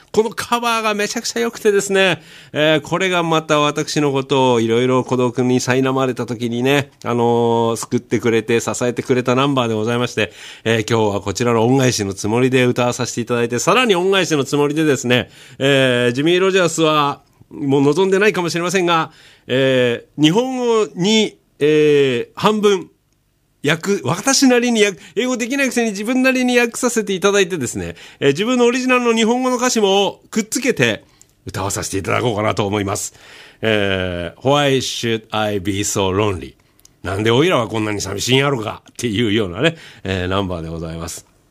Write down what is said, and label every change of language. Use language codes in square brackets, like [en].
[ja] このカバーがめちゃくちゃ良くてですね、これがまた私のことをいろいろ孤独に苛まれた時にね、救ってくれて、支えてくれたナンバーでございまして、今日はこちらの恩返しのつもりで歌わさせていただいて、さらに恩返しのつもりでですね、ジミー・ロジャースは、もう望んでないかもしれませんが、日本語に、半分訳、私なりに訳、英語できないくせに自分なりに訳させていただいてですね、自分のオリジナルの日本語の歌詞もくっつけて歌わさせていただこうかなと思います。 [en] Why should I be so lonely? [ja] なんでおいらはこんなに寂しいんやろかっていうようなね、ナンバーでございます。